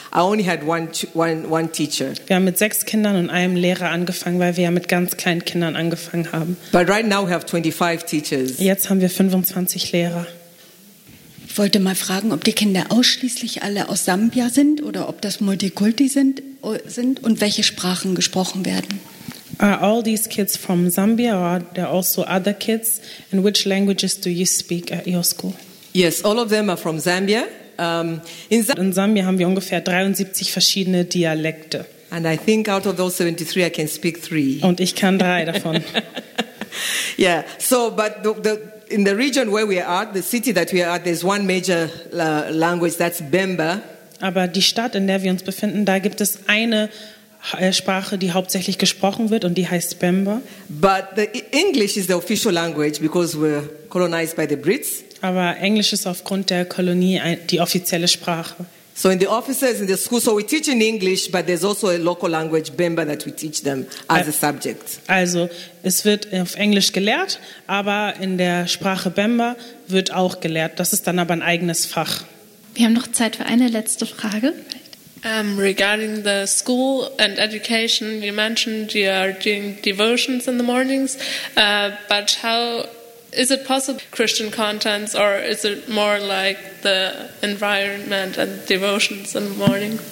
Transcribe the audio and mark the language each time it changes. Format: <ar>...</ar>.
<en>I only had one teacher.</en> <de>Wir haben mit 6 Kindern und einem Lehrer angefangen, weil wir ja mit ganz kleinen Kindern angefangen haben.</de> <en>But right now we have 25 teachers.</en> <de>Jetzt haben wir 25 Lehrer. Ich wollte mal fragen, ob die Kinder ausschließlich alle aus Sambia sind oder ob das Multikulti sind und welche Sprachen gesprochen werden.</de> <en>Are all these kids from Zambia or are there also other kids? And which languages do you speak at your school? Yes, all of them are from Zambia.</en> <de>In Zambia haben wir ungefähr 73 verschiedene Dialekte.</de> <en>And I think out of those 73 I can speak 3.</en> <de>Und ich kann 3 davon.</de> <en>Yeah, so but the in the region where we are, the city that we are at, there's one major language, that's Bemba.</en> <de>Aber die Stadt, in der wir uns befinden, da gibt es eine Sprache, die hauptsächlich gesprochen wird, und die heißt Bemba.</de> <en>But the English is the official language because we're colonized by the Brits.</en> <de>Aber Englisch ist aufgrund der Kolonie die offizielle Sprache.</de> <en>So in the offices, in the school, so we teach in English, but there's also a local language, Bemba, that we teach them as a subject.</en> <de>Also, es wird auf Englisch gelehrt, aber in der Sprache Bemba wird auch gelehrt. Das ist dann aber ein eigenes Fach. Wir haben noch Zeit für eine letzte Frage.</de> <en>Regarding the school and education, you mentioned you are doing devotions in the mornings, but how is it possible Christian contents, or is it more like the environment and devotions in the morning?</en>